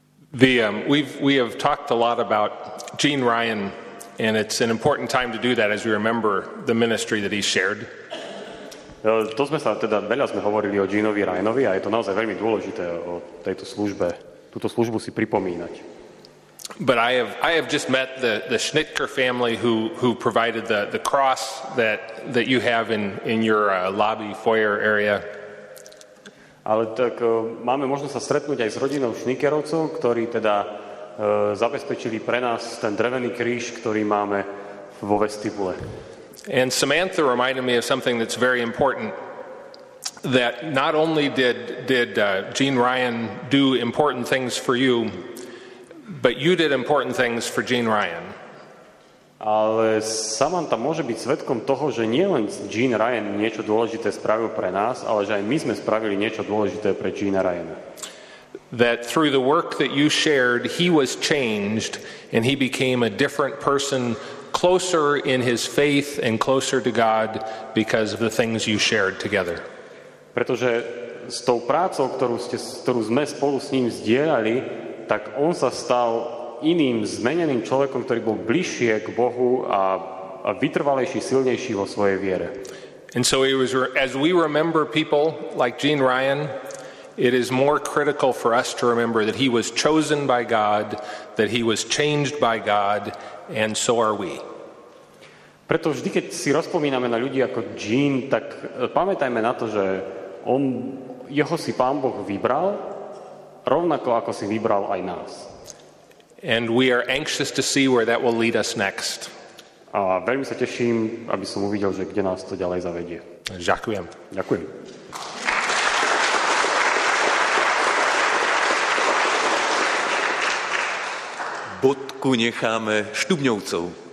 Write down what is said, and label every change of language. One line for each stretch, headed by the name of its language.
English: We have talked a lot about Gene Ryan, and it's an important time to do that as we remember the ministry that he shared.
Slovak: To sme sa teda veľa sme hovorili o Geneovi Ryanovi, a je to naozaj veľmi dôležité o tejto službe, túto službu si pripomínať.
English: But I have just met the Schnitker family who provided the cross that you have in your lobby foyer area.
Slovak: Ale tak máme možnosť sa stretnúť aj s rodinou Schnickerovcov, ktorí teda zabezpečili pre nás ten drevený kríž, ktorý máme vo vestibule.
English: And Samantha reminded me of something that's very important, that not only did Gene Ryan do important things for you, but you did important things for Gene Ryan.
Slovak: Ale Samantha môže byť svedkom toho, že nielen Gene Ryan niečo dôležité spravil pre nás, ale že aj my sme spravili niečo dôležité pre Gene Ryana.
English: That through the work that you shared, he was changed and he became a different person, closer in his faith and closer to God because of the things you shared together.
Slovak: Pretože s tou prácou, ktorú sme spolu s ním zdieľali, tak on sa stal iným zmeneným človekom, ktorý bol bližšie k Bohu a vytrvalejší, silnejší vo svojej viere.
English: And so it was, as we remember people like Gene Ryan, it is more critical for us to remember that he was chosen by God, that he was changed by God, and so are we.
Slovak: Preto vždy, keď si rozpomíname na ľudí ako Gene, tak pamätajme na to, že on, jeho si Pán Boh vybral, rovnako ako si vybral aj nás.
English: And we are anxious to see where that will lead us next.
Slovak: A veľmi sa teším, aby som uvidel, že kde nás to ďalej zavedie. Ďakujem. Ďakujem. Bodku necháme Štubňovcov.